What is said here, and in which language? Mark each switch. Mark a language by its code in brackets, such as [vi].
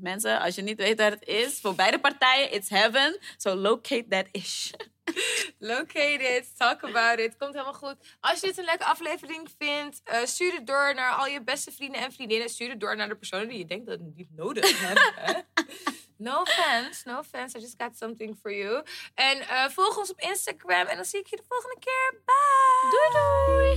[nl] Mensen, als je niet weet waar het is, voor beide partijen, [en] it's heaven. So locate that ish. Locate it. Talk about it. [nl] Komt helemaal goed. Als je dit een leuke aflevering vindt, stuur het door naar al je beste vrienden en vriendinnen. Stuur het door naar de personen die je denkt dat die het nodig hebben. [en] No offense. I just got something for you. [nl] En volg ons op Instagram. En dan zie ik je de volgende keer. Bye.